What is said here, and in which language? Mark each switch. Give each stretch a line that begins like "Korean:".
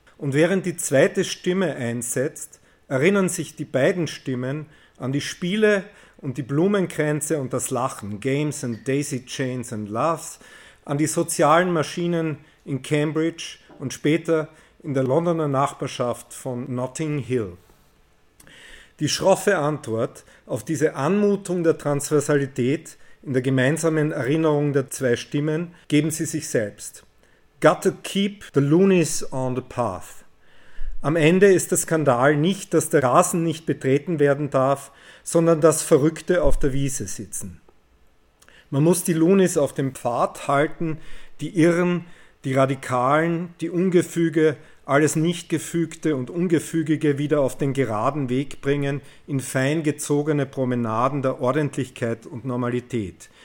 German: Und während die zweite Stimme einsetzt, erinnern sich die beiden Stimmen an die Spiele und die Blumenkränze und das Lachen,
English: Games and Daisy Chains and Loves,
German: an die sozialen Maschinen in Cambridge und später in der Londoner Nachbarschaft von Notting Hill. Die schroffe Antwort auf diese Anmutung der Transversalität in der gemeinsamen Erinnerung der zwei Stimmen geben sie sich selbst.
English: Got to keep the loonies on the path.
German: Am Ende ist der Skandal nicht, dass der Rasen nicht betreten werden darf, sondern dass Verrückte auf der Wiese sitzen. Man muss die Loonies auf dem Pfad halten, die Irren, die Radikalen, die Ungefüge, alles Nichtgefügte und Ungefügige wieder auf den geraden Weg bringen, in fein gezogene Promenaden der Ordentlichkeit und Normalität.